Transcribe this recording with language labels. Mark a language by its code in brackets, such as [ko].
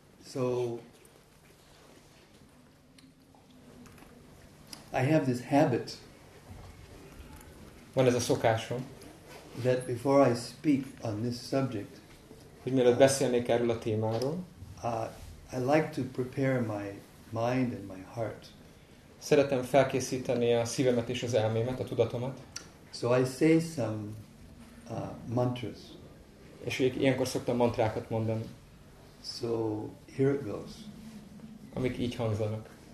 [en] So I have this habit. [hu] Van ez a szokásom. [en] That before I speak on this subject. [hu] Hogy mielőtt beszélnék erről a témáról. [en] I like to prepare my mind and my heart. [hu] Szeretem felkészíteni a szívemet és az elmémet, a tudatomat. [en] So I say some mantras. [hu] És ilyenkor szoktam mantrákat mondani. [en] So here it goes. [hu] Amik így hangzanak.